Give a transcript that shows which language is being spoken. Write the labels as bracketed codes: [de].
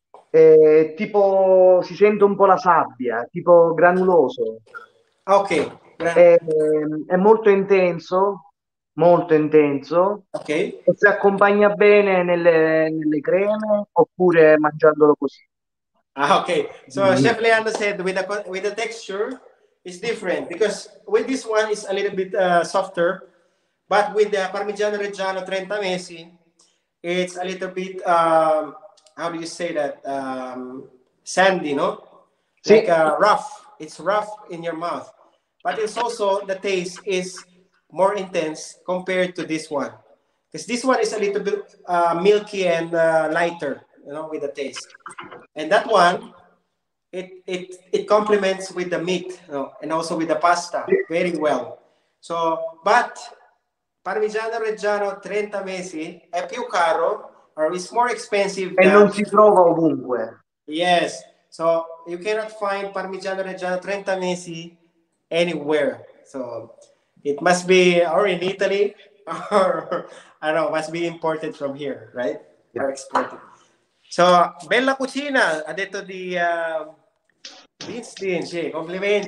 [it] È tipo si sente un po' la sabbia, tipo granuloso. Ok. È molto intenso. Molto intenso, okay. E si accompagna bene nelle creme oppure mangiandolo così. Ah, ok. [en] So Chef Leandro said with the texture is different because with this one is a little bit softer, but with the parmigiano reggiano 30 mesi it's a little bit how do you say that sandy, no? [it] Sì. [en] Like rough. It's rough in your mouth, but it's also the taste is more intense compared to this one. Because this one is a little bit milky and lighter, you know, with the taste. And that one, it complements with the meat, you know, and also with the pasta very well. So, but Parmigiano Reggiano 30 mesi [it] è più caro, [en] or it's more expensive. [it] E non si trova ovunque. [en] Yes, so you cannot find Parmigiano Reggiano 30 mesi anywhere, so. It must be or in Italy or I don't know, must be imported from here, right? Yeah. Or exported. [it] So bella cucina, ha detto di Vince, sì, complimenti.